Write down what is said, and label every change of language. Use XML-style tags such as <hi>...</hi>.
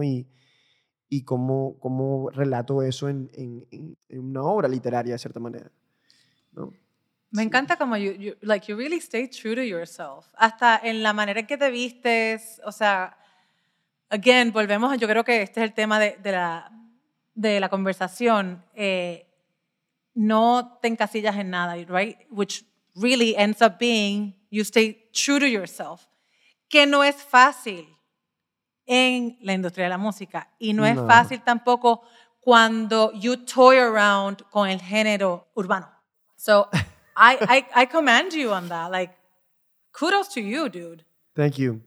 <es>Y cómo relato eso en una obra literaria, de cierta manera, ¿no? Me encanta como</es> <en>you really stay true to yourself.</en> <es>Hasta en la manera en que te vistes, o sea, again, volvemos, yo creo que este es el tema de la conversación. No te encasillas en nada, right?</es> <en>Which really ends up being you stay true to yourself.</en> <es>Que no es fácil en la industria de la música. Y no es fácil tampoco cuando</es> <en>you toy around</en> <es>con el género urbano.</es> <en>So, I commend you on that. Like, kudos to you, dude. Thank you.</en>